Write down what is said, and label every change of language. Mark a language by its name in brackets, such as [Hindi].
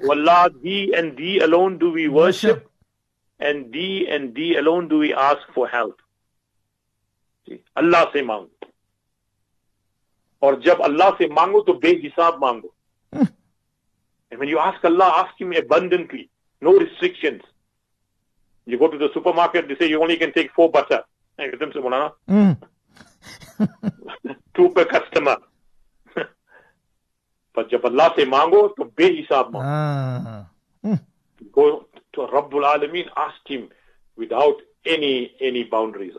[English] وَاللَّهِ thee and thee alone do we worship, and thee and thee alone do we ask for help. [Urdu] See, Allah سے مانگو. اور جب Allah سے مانگو تو بے حساب مانگو. [English] And when you ask Allah, ask Him abundantly, no restrictions. You go to the supermarket, they say you only can take 4 butter. Hey, give them some banana. 2 per customer. But [Urdu] jab Allah se mango, to be hisab mango. [English] Go to Rabbul Alameen, ask Him without any boundaries.